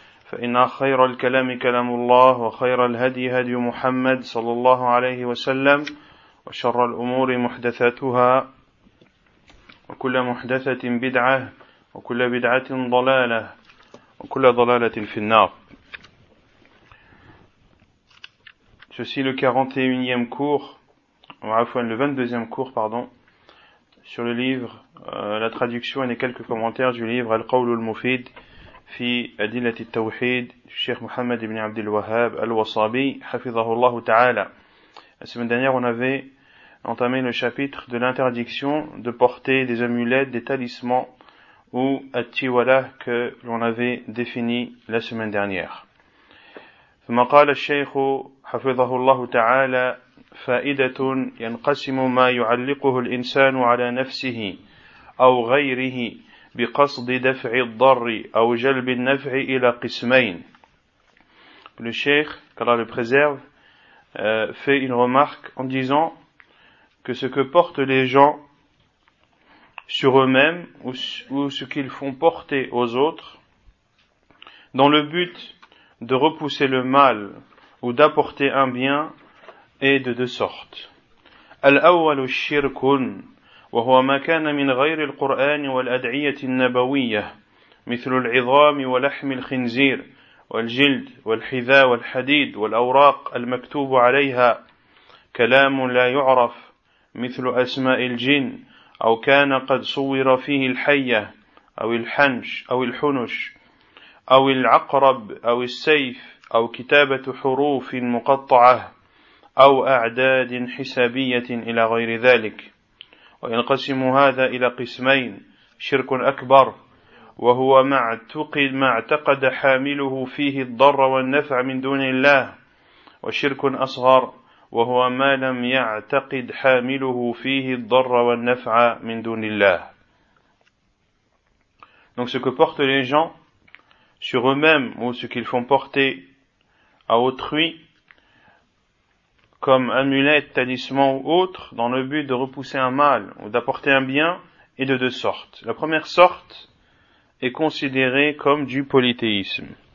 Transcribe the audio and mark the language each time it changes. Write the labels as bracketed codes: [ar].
[ar] فإن خير الكلام كلام الله وخير الهدي هدي محمد صلى الله عليه وسلم وشر الأمور محدثاتها وكل محدثة بدعة وكل بدعة ضلالة وكل ضلالة في النار. [fr] Ceci est le 41e cours, le 22e cours, pardon, sur le livre, la traduction et les quelques commentaires du livre Al-Qawl al-Mufid fi Adilat al-Tawhid, Cheikh Mohammed ibn Abd al-Wahhab al-Wasabi, [ar] Hafizahu Allah Ta'ala. [fr] La semaine dernière, on avait entamé le chapitre de l'interdiction de porter des amulettes, des talismans ou at-tiwala que l'on avait défini la semaine dernière. [ar] ثم قال الشيخ حفظه الله تعالى فائدة ينقسم ما يعلقه الإنسان على نفسه أو غيره بقصد دفع الضر أو جلب النفع إلى قسمين. [fr] Le Cheikh, qu'Allah le préserve, fait une remarque en disant que ce que portent les gens sur eux-mêmes ou ce qu'ils font porter aux autres dans le but de repousser le mal ou d'apporter un bien est de deux sortes. [ar] الأول الشرك وهو ما كان من غير القرآن والأدعية النبوية مثل العظام ولحم الخنزير والجلد والحذاء والحديد والأوراق المكتوب عليها كلام لا يعرف مثل أسماء الجن أو كان قد صور فيه الحية أو الحنش أو الحنش أو العقرب أو السيف أو كتابة حروف مقطعة أو أعداد حسابية إلى غير ذلك وينقسم هذا إلى قسمين شرك أكبر وهو ما اعتقد حامله فيه الضر والنفع من دون الله وشرك أصغر وهو ما لم يعتقد حامله فيه الضر والنفع من دون الله. [fr] Donc ce que portent les gens sur eux-mêmes ou ce qu'ils font porter à autrui comme amulette, talisman ou autre dans le but de repousser un mal ou d'apporter un bien est de deux sortes. La première sorte est considérée comme du polythéisme.